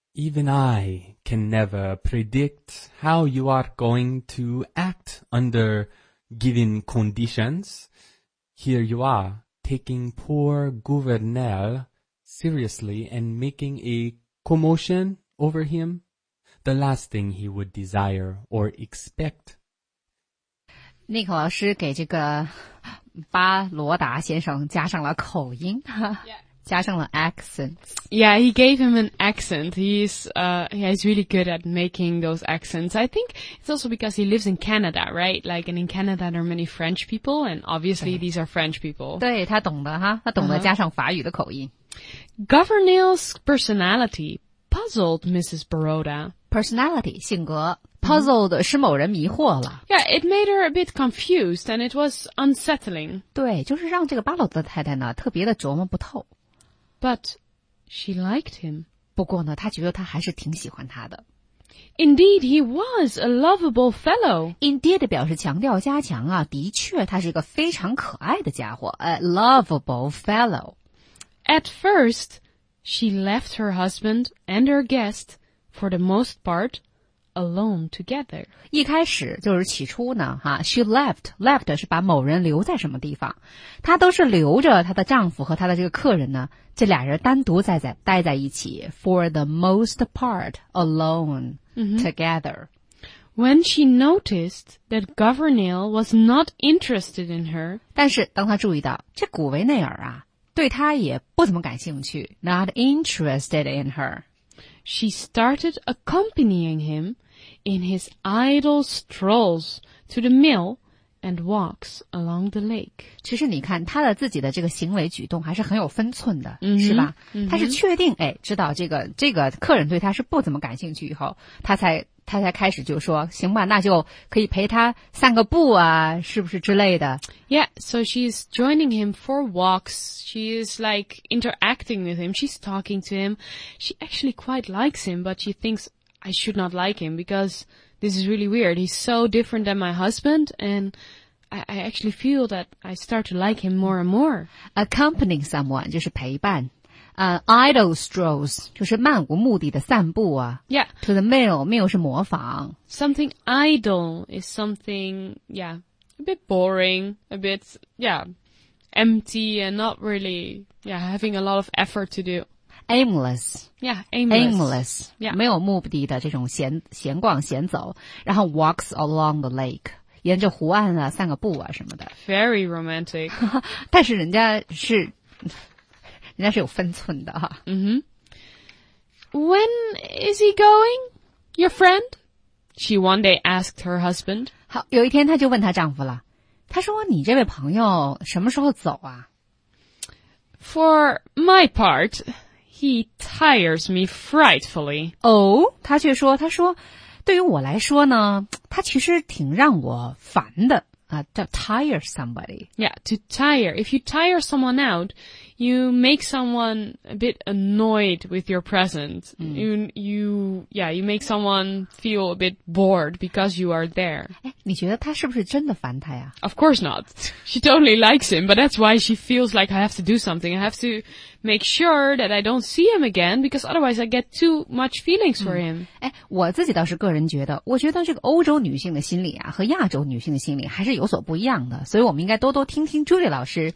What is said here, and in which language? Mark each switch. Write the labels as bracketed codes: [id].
[en] Even I can never predict how you are going to act under given conditions. Here you are, taking poor Gouvernail seriously and making a commotion over him. The last thing he would desire or expect. [zh] Nick 老师给这个巴罗达先生加上了口音。加上了 accent. [en] Yeah, he gave him an accent. He's really good at making those accents. I think it's also because he lives in Canada, right? Like, and in Canada there are many French people, and obviously these are French people. [zh] 对，他懂得哈，他懂得加上法语的口音。 [en] Gouvernail's personality puzzled Mrs. Baroda. [zh] Personality, 性格。 Puzzled 是某人迷惑了。 [en] Yeah, it made her a bit confused, and it was unsettling. [zh] 对，就是让这个巴罗德太太呢，特别的琢磨不透。 [en] But she liked him. [zh] 不过呢，她觉得她还是挺喜欢他的。 [en] Indeed, he was a lovable fellow. [zh] Indeed 表示强调加强啊，的确他是一个非常可爱的家伙。 [en] A lovable fellow. At first, she left her husband and her guest, for the most part, alone together. [zh] 一开始就是起初呢，哈 ， [en] she left. Left [zh] 是把某人留在什么地方，她都是留着她的丈夫和她的这个客人呢。这俩人单独待在一起 , [en] for the most part, alone,、 [zh] mm-hmm. [en] together. When she noticed that Gouvernail was not interested in her, [zh] 但是当她注意到这古维内尔啊对她也不怎么感兴趣 , [en] not interested in her, she started accompanying him in his idle strolls to the mill,and walks along the lake. [zh] 其实你看他的自己的这个行为举动还是很有分寸的、mm-hmm. 是吧、mm-hmm. 他是确定哎，知道这个客人对他是不怎么感兴趣以后他才开始就说行吧那就可以陪他散个步啊是不是之类的 [en] Yeah, so she's joining him for walks. She is like interacting with him. She's talking to him. She actually quite likes him, but she thinks I should not like him becauseThis is really weird. He's so different than my husband, and I actually feel that I start to like him more and more. [zh] Accompanying someone, 就是陪伴。 Idle strolls, 就是漫无目的的散步啊。 [en] Yeah. [zh] To the mill, mill 是模仿。 [en] Something idle is something, yeah, a bit boring, a bit, yeah, empty and not really, yeah, having a lot of effort to do. Aimless. Yeah, aimless. Aimless. Yeah. [zh] 没有目的的这种闲逛闲走。然后 [en] walks along the lake. [zh] 沿着湖岸啊散个步啊什么的。 [en] Very romantic. [zh] 但是人家是有分寸的啊。 [en] Mm-hmm. When is he going? Your friend? She one day asked her husband. [zh] 好有一天她就问她丈夫了。她说你这位朋友什么时候走啊 [en] ?For my part,He tires me frightfully. [zh] Oh, 他却说，他说，对于我来说呢，他其实挺让我烦的啊，叫 [en] tire somebody. Yeah, to tire. If you tire someone out, you make someone a bit annoyed with your presence.、Mm. You make someone feel a bit bored because you are there. [zh] 你觉得他是不是真的烦他呀 [en] ？Of course not. She totally likes him, but that's why she feels like I have to do something. I have to. Make sure that I don't see him again, because otherwise I get too much feelings for him.、 [zh] 嗯、哎，我自己倒是个人觉得，我觉得这个欧洲女性的心理啊，和亚洲女性的心理还是有所不一样的，所以我们应该多多听听 Julie 老师。